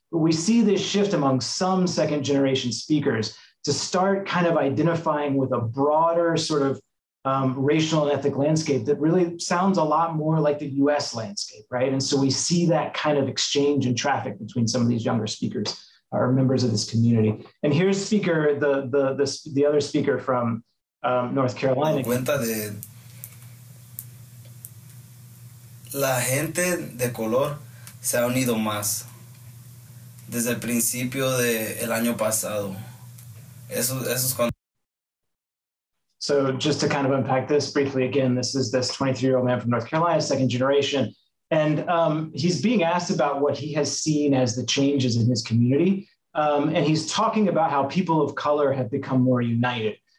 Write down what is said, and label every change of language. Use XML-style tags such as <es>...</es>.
<en>But we see this shift among some second generation speakers to start kind of identifying with a broader sort of racial and ethnic landscape that really sounds a lot more like the US landscape, right? And so we see that kind of exchange and traffic between some of these younger speakers or members of this community. And here's speaker, the other speaker from North Carolina.</en> <es>Cuenta de la gente de color se ha unido más desde el principio de el año pasado. Eso es cuando.</es> <en>So just to kind of unpack this briefly again, this is this 23-year-old man from North Carolina, second generation. And he's being asked about what he has seen as the changes in his community. And he's talking about how people of color have become more united.</en>